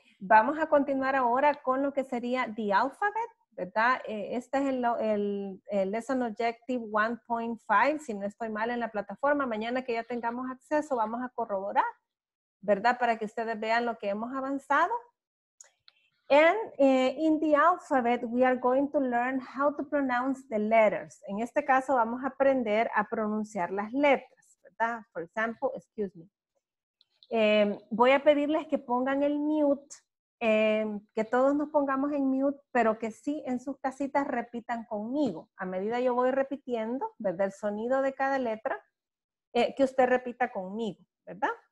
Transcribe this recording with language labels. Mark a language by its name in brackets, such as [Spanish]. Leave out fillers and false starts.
[Spanish] Vamos a continuar ahora con lo que sería the alphabet. ¿Verdad? Este es el Lesson Objective 1.5, si no estoy mal en la plataforma. Mañana que ya tengamos acceso, vamos a corroborar, ¿verdad? Para que ustedes vean lo que hemos avanzado. [English] And in the alphabet, we are going to learn how to pronounce the letters. [Spanish] En este caso, vamos a aprender a pronunciar las letras, ¿verdad? [English] For example, excuse me. [Spanish] Voy a pedirles que pongan el mute que todos nos pongamos en mute, pero que sí en sus casitas repitan conmigo. A medida yo voy repitiendo, ¿verdad? El sonido de cada letra, que usted repita conmigo, ¿verdad?